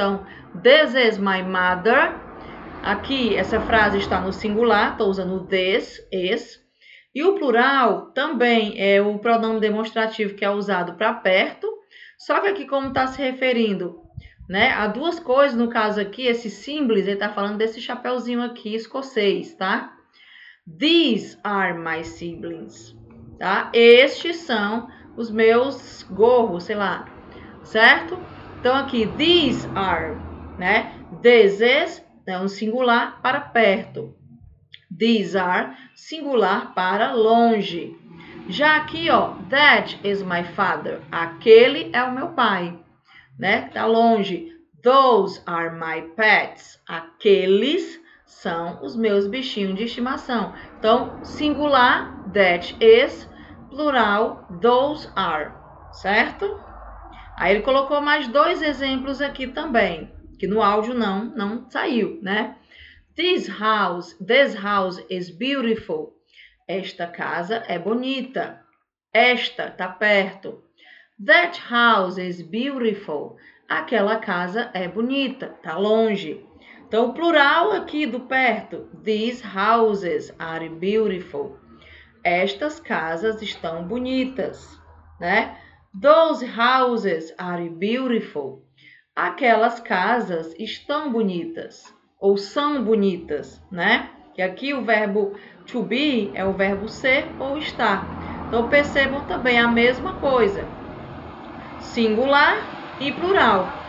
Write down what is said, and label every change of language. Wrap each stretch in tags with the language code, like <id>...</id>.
<pt>Então, this is my mother. Aqui essa frase está no singular, estou usando this, is. E o plural também é o pronome demonstrativo que é usado para perto, só que aqui como está se referindo, né? Há duas coisas no caso aqui, esse simples, ele tá falando desse chapéuzinho aqui escocês, tá?</pt> <en>These are my siblings, tá?</en> <pt>Estes são os meus gorros, sei lá, certo? Então aqui, these are, né? This is, é um singular para perto. These are, singular para longe. Já aqui, ó, that is my father, aquele é o meu pai, né? Tá longe. Those are my pets. Aqueles são os meus bichinhos de estimação. Então, singular, that is, plural, those are. Certo? Aí ele colocou mais dois exemplos aqui também, que no áudio não saiu, né?</pt> <en>This house is beautiful. Esta casa é bonita. Esta tá perto. That house is beautiful.</en> <pt>Aquela casa é bonita, tá longe. Então, o plural aqui do perto, these houses are beautiful. Estas casas estão bonitas, né?</pt> <en>Those houses are beautiful.</en> <pt>Aquelas casas estão bonitas ou são bonitas, né? E aqui o verbo to be é o verbo ser ou estar. Então, percebam também a mesma coisa. Singular e plural.</pt>